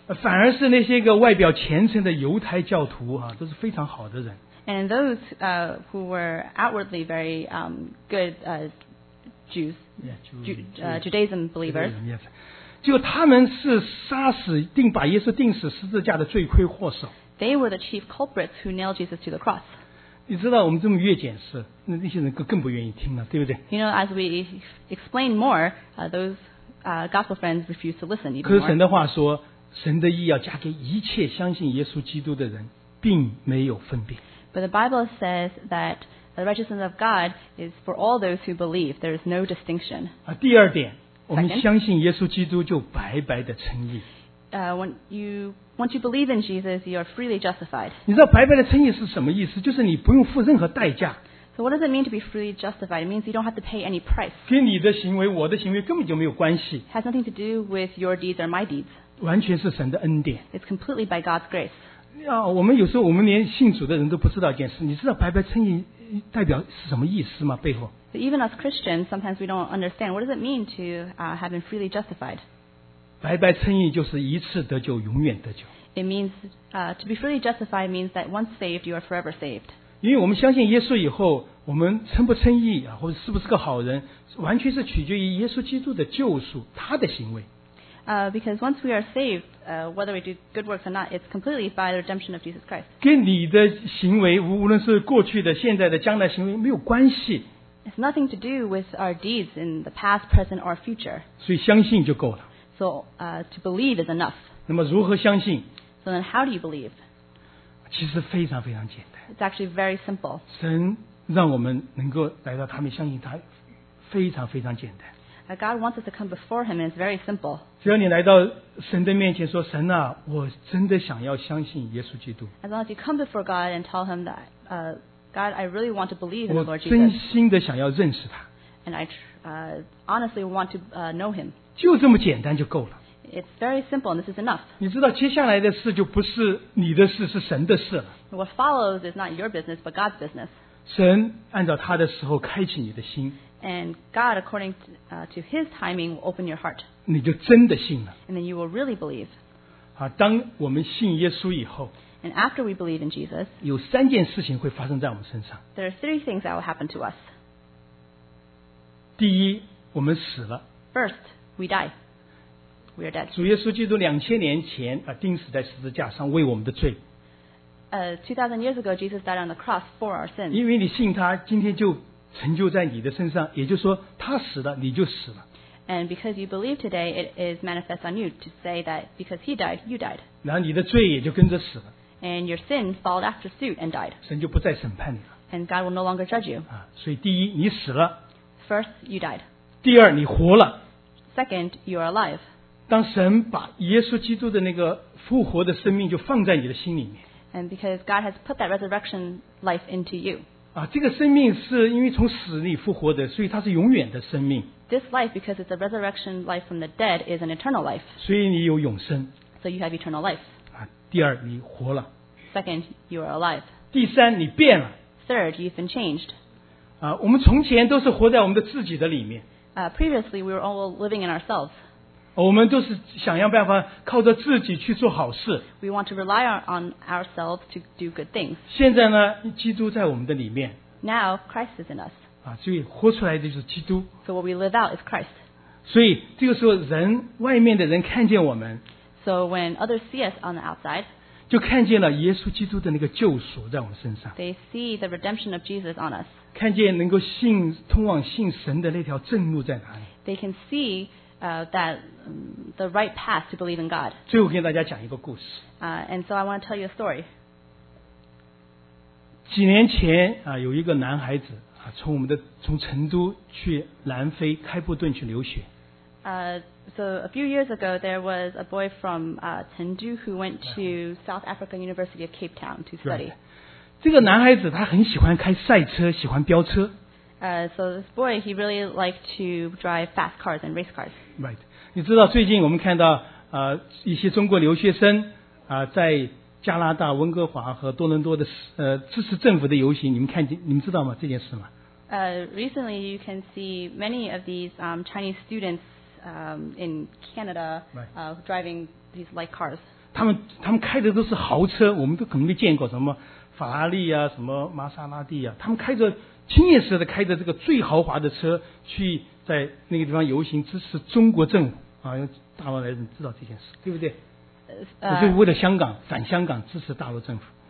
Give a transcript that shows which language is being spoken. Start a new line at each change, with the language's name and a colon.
Chinese: 反而是那些个外表虔诚的犹太教徒啊，都是非常好的人。
English: And those who were outwardly very good Jews, Judaism believers.
Chinese: 结果他们是杀死定把耶稣钉死十字架的罪魁祸首。
English: They were the chief culprits who nailed Jesus to the cross.
Chinese: 你知道我们这么越解释，那些人更不愿意听了，对不对？
English: You know, as we explain more, those gospel friends refused to listen even more.
Chinese: 可是神的话说，神的义要加给一切相信耶稣基督的人，并没有分辨。
English: But the Bible says that the righteousness of God is for all those who believe. There is no distinction.
Chinese: 第二点，我们相信耶稣基督就白白的称义。
English: Once you believe in Jesus, you are freely justified.
Chinese: 你知道白白的称义是什么意思？就是你不用付任何代价。
English: So what does it mean to be freely justified? It means you don't have to pay any price.
Chinese: 跟你的行为、我的行为根本就没有关系。
English: Has nothing to do with your deeds or my deeds.
Chinese: 完全是神的恩典。
English: It's completely by God's grace.
Chinese: 我们有时候我们连信主的人都不知道一件事，你知道白白称义代表是什么意思吗？背后。
English: But even as Christians, sometimes we don't understand what does it mean to have been freely justified.
Chinese: 白白称义就是一次得救，永远得救。
English: It means to be freely justified means that once saved, you are forever saved.
Chinese: 因为我们相信耶稣以后，我们称不称义啊，或者是不是个好人，完全是取决于耶稣基督的救赎，他的行为。
English: Because once we are saved, whether we do good works or not, it's completely by the redemption of Jesus Christ.
Chinese: 跟你的行为，无论是过去的、现在的、将来行为没有关系。
English: It's nothing to do with our deeds in the past, present, or future.
Chinese: 所以相信就够了。
English: So, to believe is enough.
Chinese: 那么如何相信？
English: So then, how do you believe?
Chinese: 其实非常非常简单。
English: It's actually very simple.
Chinese: 神让我们能够来到他们相信他，非常非常简单。
English: God wants us to come before Him, and it's very simple.
Chinese: 只要你来到神的面前说，神啊，我真的想要相信耶稣基督。
English: As long as you come before God and tell Him that, God, I really want to believe in the Lord Jesus.
Chinese: 我真心的想要认识他。
English: And I honestly want to know Him.
Chinese: 就这么简单就够了。
English: It's very simple, and this is enough.
Chinese: 你知道接下来的事就不是你的事，是神的事了。
English: What follows is not your business, but God's business.
Chinese: 神按照他的时候开启你的心。
English: And God, according to His timing, will open your heart.
Chinese: 你就真的信了。
English: And then you will really believe.
Chinese: 当我们信耶稣以后。
English: And after we believe in Jesus.
Chinese: 有三件事情会发生在我们身上。
English: There are three things that will happen to us.
Chinese: 第一，我们死了。
English: First, we die. We are dead.
Chinese: 主耶稣基督2000年前钉死在十字架上为我们的罪。
English: 2000 years ago, Jesus died on the cross for our sins.
Chinese: 因为你信他，今天就成就在你的身上，也就是说，他死了，你就死了。
English: And because you believe today, it is manifest on you to say that because he died, you died.
Chinese: 然后你的罪也就跟着死了。
English: And your sin followed after suit and died.
Chinese: 神就不再审判你了。
English: And God will no longer judge you.
Chinese: 所以第一，你死了。
English: First, you died.
Chinese: 第二，你活了。
English: Second, you are alive.
Chinese: 当神把耶稣基督的那个复活的生命就放在你的心里面。
English: And because God has put that resurrection life into you.
Chinese: 这个生命是因为从死里复活的，所以它是永远的生命。
English: This life, because it's a resurrection life from the dead, is an eternal life.
Chinese: 所以你有永生。
English: So you have eternal life.
Chinese: 第二，你活了。
English: Second, you are alive.
Chinese: 第三，你变了。
English: Third, you've been changed.
Chinese: 我们从前都是活在我们的自己的里面。
English: Previously, we were all living in ourselves.
Chinese: 我们都是想要办法靠着自己去做好事。
English: We want to rely on ourselves to do good things.
Chinese: 现在呢，基督在我们的里面。
English: Now, Christ is in us.
Chinese: 所以活出来的就是基督。
English: So what we live out is Christ.
Chinese: 所以这个时候人，外面的人看见我们。
English: So when others see us on the outside,
Chinese: 就看见了耶稣基督的那个救赎在我们身上。
English: They see the redemption of Jesus on us.
Chinese: 看见能够信通往信神的那条正路在哪里。
English: They can see that the right path to believe in God.
Chinese: 最后跟大家讲一个故事。
English: And so I want to tell you a story.
Chinese: 几年前有一个男孩子从成都去南非开普敦去留学。
English: So a few years ago, there was a boy from Chengdu who went to South African University of Cape Town to study. Right.
Chinese: 这个男孩子他很喜欢开赛车，喜欢飙车。
English: So this boy, he really liked to drive fast cars and race cars. Right.
Chinese: 你知道最近我们看到一些中国留学生在加拿大温哥华和多伦多的支持政府的游行，你们知道吗这件事吗？
English: Recently, you can see many of these Chinese students. In Canada, driving these light cars.
Chinese: 他们开的都是豪车，我们都可能没见过什么法拉利啊，什么玛莎拉蒂啊。他们开着亲眼似的开着这个最豪华的车去在那个地方游行支持中国政府啊。大陆来人知道这件事，对不对？就是为了香港反香港支持大陆政府。